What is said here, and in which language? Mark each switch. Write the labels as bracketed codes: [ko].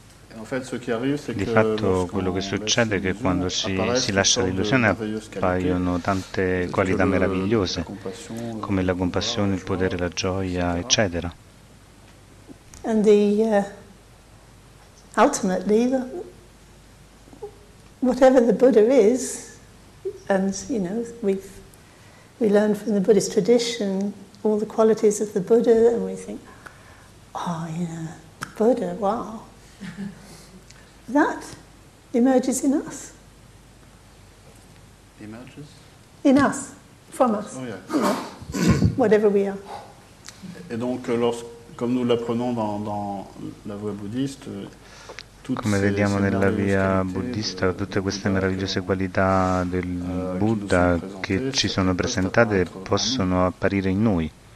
[it] Di fatto quello che succede è che quando si lascia l'illusione appaiono tante qualità meravigliose, come la compassione, il potere, la gioia, eccetera. [en] And the ultimately, whatever the Buddha is, and you know, we learn from the Buddhist tradition all the qualities of the Buddha, and we think, oh, yeah, Buddha, wow. That emerges in us. Emerges? In us, from us. Oh, yeah. You know, whatever we are. [fr] Et donc, comme nous l'apprenons dans la voie bouddhiste, [it] come vediamo nella via buddista, tutte queste meravigliose qualità del Buddha che ci sono presentate possono apparire in noi.